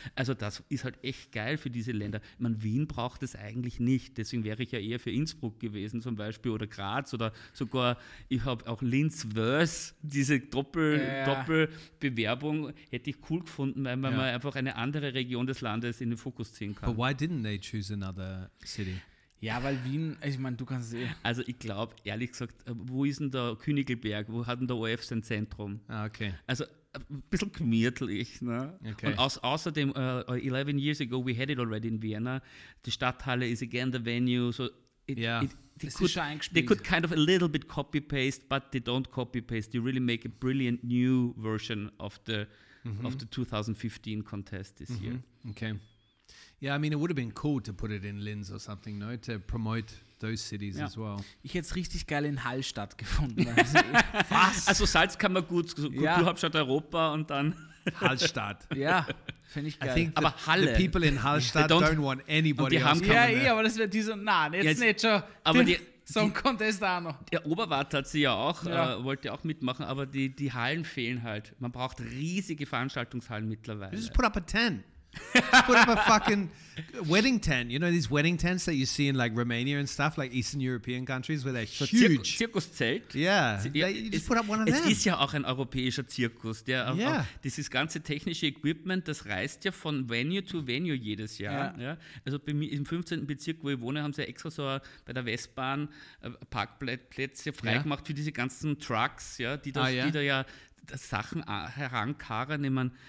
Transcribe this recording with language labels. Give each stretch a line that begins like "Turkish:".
German: Also das ist halt echt geil für diese Länder. Ich meine, Wien braucht es eigentlich nicht. Deswegen wäre ich ja eher für Innsbruck gewesen zum Beispiel oder Graz oder sogar, ich habe auch Linz-Wörs, diese Doppelbewerbung, hätte ich cool gefunden, weil man einfach eine andere Region des Landes in den Fokus ziehen kann.
English: But why didn't they choose another city?
German: Ja, weil Wien, ich meine, du kannst sehen. Also ich glaube, ehrlich gesagt, wo ist denn der Königlberg? Wo hat denn der ORF sein Zentrum? Ah, okay. Also ein bisschen gemütlich, ne? Okay. Und außerdem,
English: 11 years ago, we had it already in Vienna. Die Stadthalle is again the venue. So they could kind of a little bit copy-paste, but they don't copy-paste. They really make a brilliant new version of the of the 2015 contest this year. Okay. Yeah, I mean, it would have been cool to put it in Linz or something, no? To promote those cities as well.
German: Ich hätte es richtig geil in Hallstatt gefunden. Also Salz kann man gut, Kulturhauptstadt Europa und dann... Hallstatt. Ja, finde ich geil.
English: I think
German: aber Halle.
English: The people in Hallstatt don't want anybody else.
German: Haben ja, ja, aber das wäre dieser... Nein, jetzt nicht schon. Aber so ein Contest auch noch. Der Oberwart hat sie ja auch, wollte auch mitmachen, aber die Hallen fehlen halt. Man braucht riesige Veranstaltungshallen mittlerweile.
English: Just put up a tent. Put up a fucking wedding tent. You know these wedding tents that you see in like Romania and stuff, like Eastern European countries, where they're so huge.
German: Zirkuszelt.
English: Yeah. You just put up one of them.
German: Es ist ja auch ein europäischer Zirkus. Dieses ganze technische Equipment, das reist ja von Venue zu Venue jedes Jahr. Yeah. Ja? Also im 15. Bezirk, wo ich wohne, haben sie ja extra so bei der Westbahn Parkplätze freigemacht für diese ganzen Trucks, die da Sachen herankarren.